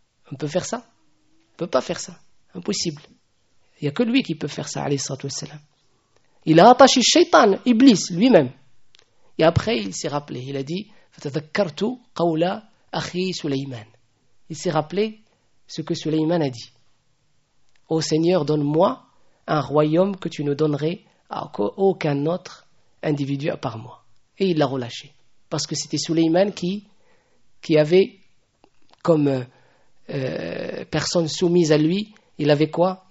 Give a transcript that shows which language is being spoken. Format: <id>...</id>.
<fr>On peut faire ça? On ne peut pas faire ça. Impossible. Il n'y a que lui qui peut faire ça,</fr> <ar>alayhi sallallahu alayhi wa sallam.</ar> <fr>Il a attaché Shaitan, Iblis, lui-même. Et après, il s'est rappelé. Il a dit,</fr> <ar>فَتَذَكَّرْتُ قَوْلَ أَخِي سُلَيْمَانِ.</ar> <fr>Il s'est rappelé ce que Suleyman a dit. Ô Seigneur, donne-moi un royaume que tu ne donnerais à aucun autre individu à part moi. Et il l'a relâché. Parce que c'était Suleyman qui avait comme personne soumise à lui, il avait quoi?</fr>